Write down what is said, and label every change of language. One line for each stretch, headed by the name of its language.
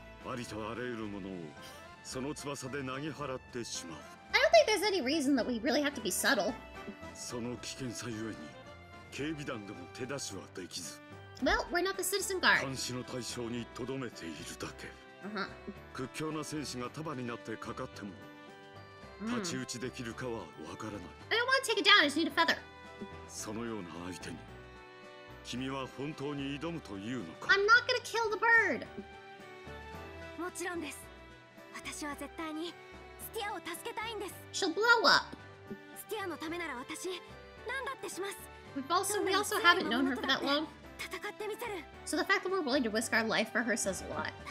Japanese: ありとあらゆるものをその翼で投げ払ってしまう。
English: I don't think there's any reason that we really have to be subtle.
Japanese: その危険さゆえに警備団でも手出しはできず。
English: Well, we're not the citizen guard.
Japanese: 監視の対象にとどめているだけ。屈強な戦士が束になってかかっても太刀打ちできるかはわからない。
English: I don't want to take it down. I just need a feather.
Japanese: そのような相手に。君は本当に挑むというのか
English: I'm not gonna kill the bird!
Japanese: もちろんです。私は絶対にスティアを助けたいんです。
English: She'll blow up!
Japanese: スティアのためなら私何だってします。
English: We also haven't known her for that long. So the fact that we're willing to risk our life for her says a lot.